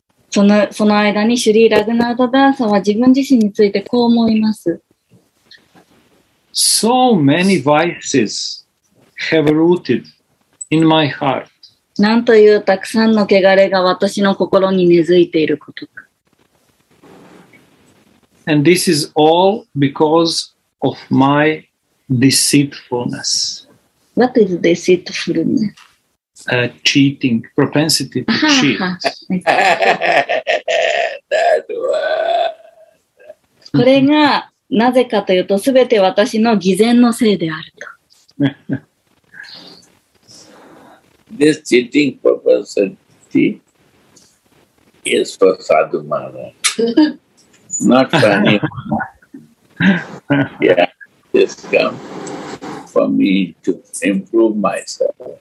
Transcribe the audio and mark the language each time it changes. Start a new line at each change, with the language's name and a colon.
Japanese: その間にシリ・ラグナッタ・ダーサは自分自身についてこう思います。
English: So many vices have rooted in my heart.
Japanese: なんというたくさんの汚れが私の心に根付いていることか。
English: And this is all because of my deceitfulness. What is deceitfulness? Cheating, propensity to cheat. That one.
Japanese: これがなぜかというと、すべて私の偽善のせいであると。
English: This cheating propensity is for sadhu mana, not for anyone. Yeah, this come for me to improve myself.